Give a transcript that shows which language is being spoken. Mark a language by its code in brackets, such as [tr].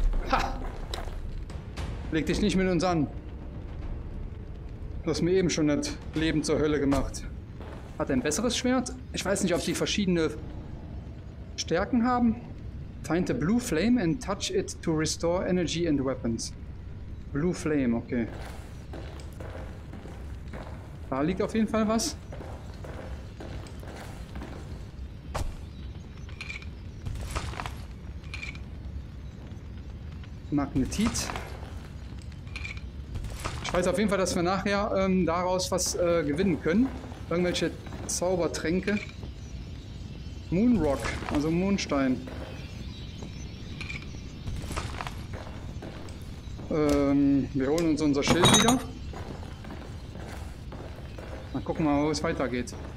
[de] Ha! Leg dich nicht mit uns an. Du hast mir eben schon das Leben zur Hölle gemacht. Hat er ein besseres Schwert? Ich weiß nicht, ob die verschiedene Stärken haben. [en] Find the blue flame and touch it to restore energy and weapons. Blue flame, okay. [de] Da liegt auf jeden Fall was. Magnetit. Ich weiß auf jeden Fall, dass wir nachher daraus was gewinnen können. Irgendwelche Zaubertränke. Moonrock, also Mondstein. Wir holen uns unser Schild wieder. Mal gucken, wo es weitergeht.